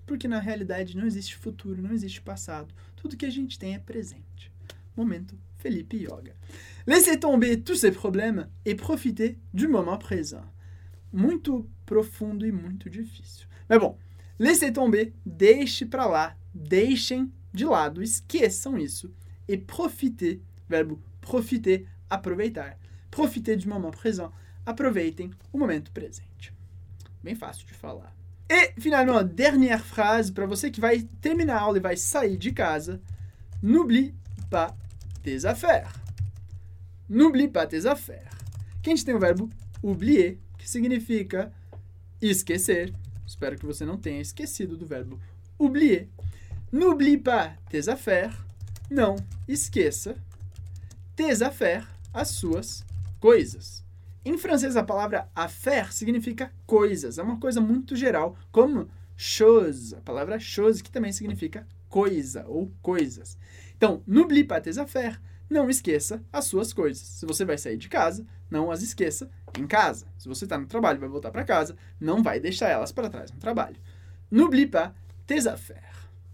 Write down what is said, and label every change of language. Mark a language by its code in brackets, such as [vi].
[pt] Porque na realidade não existe futuro, não existe passado. Tudo que a gente tem é presente. Momento Felipe Yoga. [fr] Laissez tomber tous ces problèmes et profitez du moment présent. [pt] Muito profundo e muito difícil. Mas bom, [fr] laissez tomber, [pt] deixe pra lá, deixem de lado, esqueçam isso. E profiter, verbo profiter, aproveitar. [fr] Profiter du moment présent. [pt] Aproveitem o momento presente. Bem fácil de falar. E, [fr] finalement, dernière phrase [pt] para você que vai terminar a aula e vai sair de casa. [fr] N'oublie pas tes affaires. N'oublie pas tes affaires. [pt] Aqui a gente tem o verbo oublier, que significa esquecer. Espero que você não tenha esquecido do verbo oublier. [fr] N'oublie pas tes affaires. [pt] Não esqueça [fr] tes affaires, [pt] as suas coisas. Em francês, a palavra affaire significa coisas. É uma coisa muito geral, como chose. A palavra chose, que também significa coisa ou coisas. Então, [fr] n'oublie pas tes affaires. [pt] Não esqueça as suas coisas. Se você vai sair de casa, não as esqueça em casa. Se você está no trabalho e vai voltar para casa, não vai deixar elas para trás no trabalho. [fr] N'oublie pas tes affaires.